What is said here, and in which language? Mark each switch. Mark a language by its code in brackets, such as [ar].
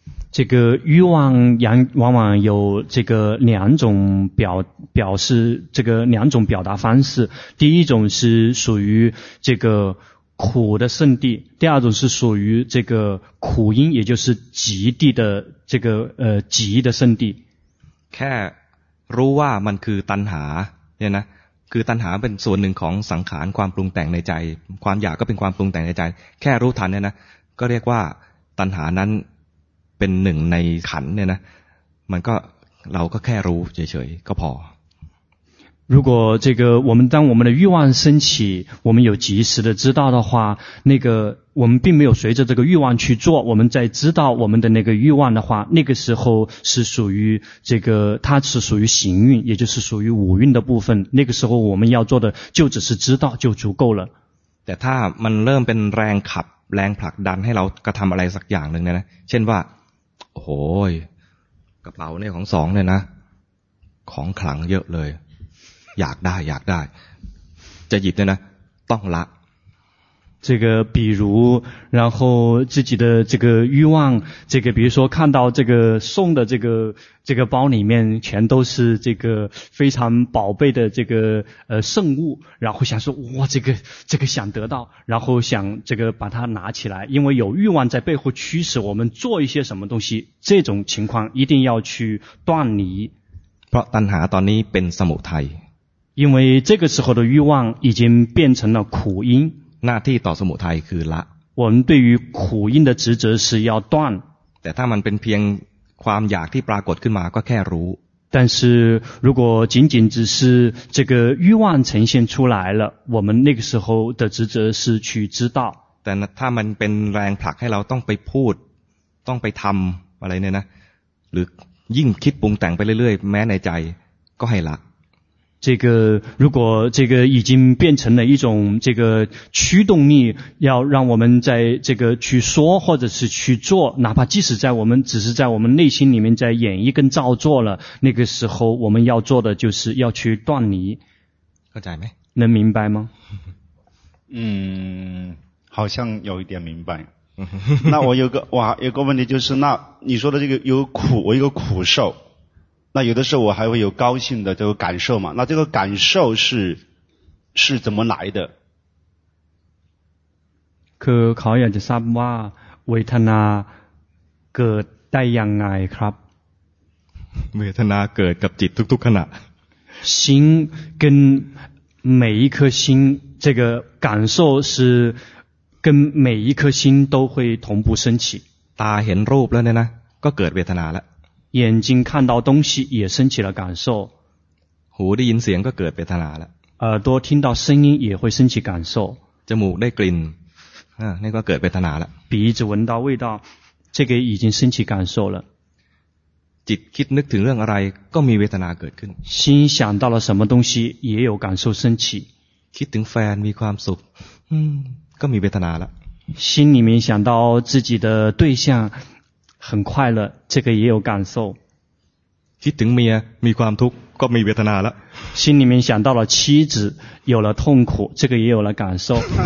[zh] 这个欲望往往有这个两种表示这个两种表达方式第一种是属于这个苦的圣地第二种是属于这个苦因也就是极地的这个极的圣地 [th] แค่รู้ว่ามันคือตัณหาเนี่ยนะคือตัณหาเป็นส่วนหนึ่งของสังขารความปรุงแต่งในใจความอยากก็เป็นความปรุงแต่งในใจแค่รู้ทันเนี่ยนะก็เรียกว่าตัณหานั้นเป็นหนึ่งในขันเนี่ยนะมันก็เราก็แค่รู้เฉยๆก็พอ [zh] 如果这个我们当我们的欲望升起我们有及时的知道的话那个我们并没有随着这个欲望去做我们在知道我们的那个欲望的话那个时候是属于这个它是属于行运也就是属于五运的部分那个时候我们要做的就只是知道就足够了 [th] แต่ถ้ามันเริ่มเป็นแรงขับแรงผลักดันให้เรากระทำอะไรสักอย่างหนึ่งนะเช่นว่าโอ้โหกระเป๋าเนี่ยของสองเนี่ยนะของขลังเยอะเลยอยากได้จะหยิบเนี่ยนะต้องละ [zh] 这个比如然后自己的这个欲望这个比如说看到这个送的这个包里面全都是这个非常宝贝的这个圣物然后想说哇这个想得到然后想这个把它拿起来因为有欲望在背后驱使我们做一些什么东西这种情况一定要去断离 [th] เพราะตัณหาตอนนี้เป็นสมุทัย [zh] 因为这个时候的欲望已经变成了苦因 [th] หน้าที่ต่อสมุทัยคือละ [zh] 我们对于苦因的职责是要断 [th] แต่ถ้ามันเป็นเพียงความอยากที่ปรากฏขึ้นมาก็แค่รู้ [zh] 但是如果仅仅只是这个欲望呈现出来了我们那个时候的职责是去知道 [th] แต่ถ้ามันเป็นแรงผลักให้เราต้องไปพูดต้องไปทำอะไรเนี่ยนะหรือยิ่งคิดปรุงแต่งไปเรื่อยๆแม้ในใจก็ให้ละ [zh] 这个如果这个已经变成了一种这个驱动力要让我们在这个去说或者是去做哪怕即使在我们只是在我们内心里面在演绎跟造作了那个时候我们要做的就是要去断离可在没能明白吗嗯好像有一点明白那我有个哇有个问题就是那你说的这个有苦我有个苦受那有的时候我还会有高兴的这个感受嘛那这个感受是怎么来的 [th] คือเขาอยากจะทราบว่าเวทนาเกิดได้ยังไงครับ เวทนาเกิดกับจิตทุกๆขณะ [zh] 心跟每一颗心这个感受是跟每一颗心都会同步升起 [th] ตาเห็นรูปแล้วเนี่ยนะก็เกิดเวทนาแล้ว [zh] 眼睛看到东西也升起了感受 [th] หูได้ยินเสียงก็เกิดเวทนาแล้ว [zh] 耳朵听到声音也会升起感受 [th] จมูกได้กลิ่นนี่ก็เกิดเวทนาแล้ว [zh] 鼻子闻到味道这个已经升起感受了 [th] จิตคิดนึกถึงเรื่องอะไรก็มีเวทนาเกิดขึ้น [zh] 心想到了什么东西也有感受升起 [th] คิดถึงแฟนมีความสุขก็มีเวทนาแล้ว [zh] 心里面想到自己的对象很快乐这个也有感受 [th] คิดถึงเมียมีความทุกข์ก็มีเวทนาละ [zh] 心里面想到了妻子有了痛苦这个也有了感受